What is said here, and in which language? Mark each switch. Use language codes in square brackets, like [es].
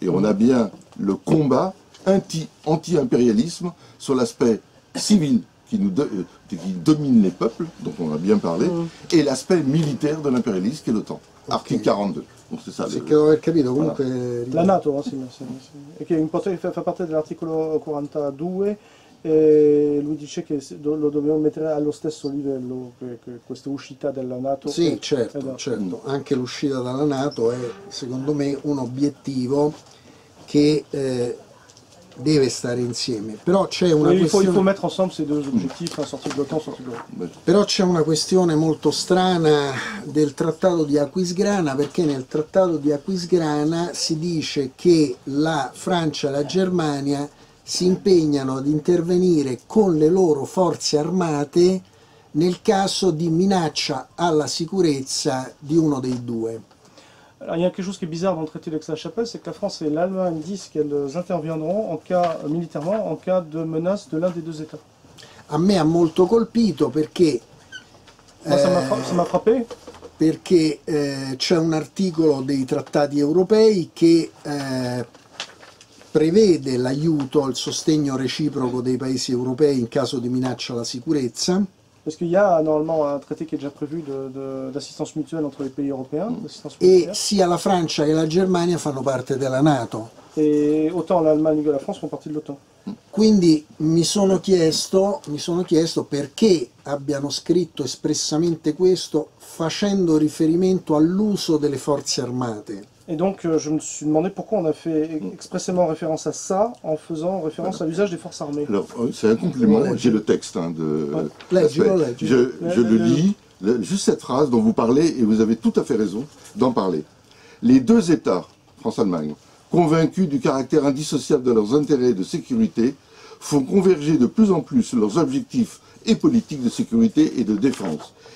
[fr] Et on a bien le combat anti-impérialisme sur l'aspect civil qui domine les peuples, dont on a bien parlé, et l'aspect militaire de l'impérialisme qui est l'OTAN. Okay. Article 42. Donc c'est ça. C'est que j'avais [it] capito. Comunque, [fr] voilà. La NATO, hein, c'est, qui est importante, fait partie de l'article 42. [it] E lui dice che lo dobbiamo mettere allo stesso livello che questa uscita della NATO. Sì, certo. Anche l'uscita dalla NATO è, secondo me, un obiettivo che deve stare insieme. Però c'è una questione. [fr] Il faut mettre ensemble ces deux objectifs, sortir de l'OTAN, sortir de l'OTAN. [it] Però c'è una questione molto strana del trattato di Aquisgrana, perché nel trattato di Aquisgrana si dice che la Francia e la Germania si impegnano ad intervenire con le loro forze armate nel caso di minaccia alla sicurezza di uno dei due. [fr] Alors, il y a quelque chose qui est bizarre dans le traité d'Aix-la-Chapelle, c'est que la France et l'Allemagne disent qu'elles interviendront en cas militairement en cas de menace de l'un des deux États. [it] A me ha molto colpito perché. [fr] Ça m'a frappé. [it] Perché c'è un articolo dei trattati europei che prevede l'aiuto, il sostegno reciproco dei paesi europei in caso di minaccia alla sicurezza. [fr] Parce qu'il y a normalement un traité qui est déjà prévu d'assistance mutuelle entre les pays européens. [it] E sia la Francia che la Germania fanno parte della NATO. [fr] E autant l'Allemagne che la France font partie de l'OTAN. [it] Quindi mi sono chiesto perché abbiano scritto espressamente questo facendo riferimento all'uso delle forze armate. [fr] Et donc je me suis demandé pourquoi on a fait expressément référence à ça en faisant référence à l'usage des forces armées. Alors c'est un compliment, j'ai le texte hein, de je le lis, juste cette phrase dont vous parlez et vous avez tout à fait raison d'en parler. Les deux États, France-Allemagne, convaincus du caractère indissociable de leurs intérêts de sécurité, font converger de plus en plus leurs objectifs et politiques de sécurité et de défense.